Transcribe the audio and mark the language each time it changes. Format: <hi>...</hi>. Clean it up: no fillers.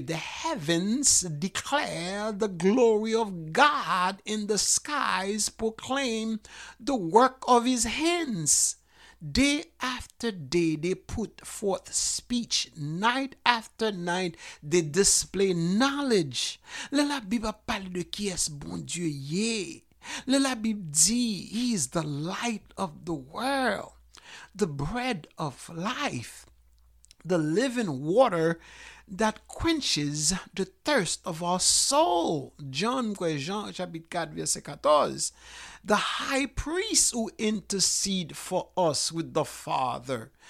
<en>The heavens declare the glory of God, and the skies proclaim the work of his hands. Day after day they put forth speech, night after night they display knowledge.</en> <fr>Les la Bible parle de qui est bon Dieu. Les la Bible dit</fr> <en>he is the light of the world, the bread of life, the living water that quenches the thirst of our soul. John chapter 4 verse 14. The high priest who intercede for us with the Father.</en>